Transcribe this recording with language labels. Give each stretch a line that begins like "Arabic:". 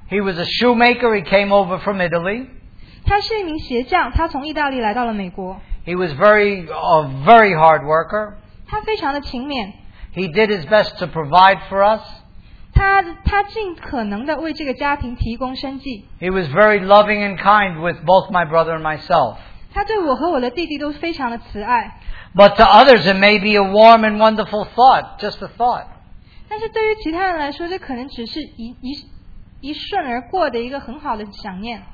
English: He was a shoemaker. He came over from Italy.
Chinese: 他是一名鞋匠，他从意大利来到了美国。
English: He was a very hard worker.
Chinese: 他非常的勤勉。
English: He did his best to provide for us.
Chinese: 他尽可能的为这个家庭提供生计。
English: He was very loving and kind with both my brother and myself.
Chinese: 他对我和我的弟弟都非常的慈爱。
English: But to others it may be a warm and wonderful thought, just a thought.
Chinese: 但是对于其他人来说，这可能只是一瞬而过的一个很好的想念。